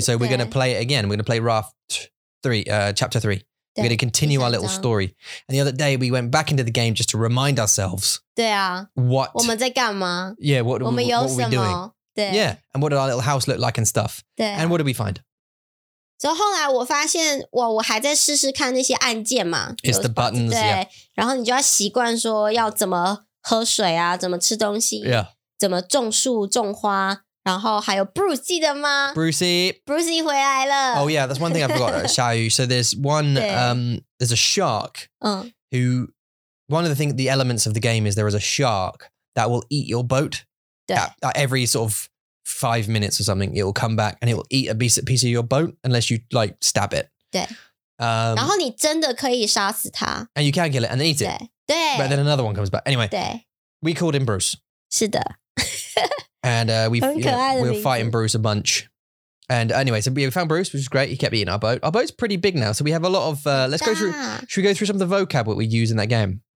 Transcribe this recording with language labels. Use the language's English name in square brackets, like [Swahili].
[English] So we're going to play it again. We're going to play Raft 3, Chapter 3. We're going to continue our little story. And the other day, we went back into the game just to remind ourselves. [Chinese] 对啊, [English] what? [Chinese] 我们在干嘛? [English] Yeah, what are we doing? [Chinese] 对。 [English] Yeah, and what did our little house look like and stuff? [Chinese] 对。 [English] And what did we find? [Chinese] So 后来我发现我还在试试看那些按键嘛。 [English] It's the buttons, [Chinese] 对。 [English] Yeah. [Chinese] 然后你就要习惯说要怎么喝水啊，怎么吃东西？ [English] Yeah. [Chinese] 怎么种树种花？然后还有 Bruce 记得吗？Brucey 回来了。 [English] Oh yeah, that's one thing I forgot. 夏雨 So there's one, there's a shark. Who? One of the things, the elements of the game is there is a shark that will eat your boat. At every sort of 5 minutes or something, it will come back and it will eat a piece of your boat unless you like stab it. [Chinese] 对。然后你真的可以杀死它。 [English] And you can kill it and eat it. But then another one comes back. Anyway, we called him Bruce. [Chinese] 是的。 [English] And we were fighting Bruce a bunch. And anyway, so we found Bruce, which is great. He kept eating our boat. Our boat's pretty big now. So we have a lot of, let's go through, should we go through some of the vocab that we use in that game?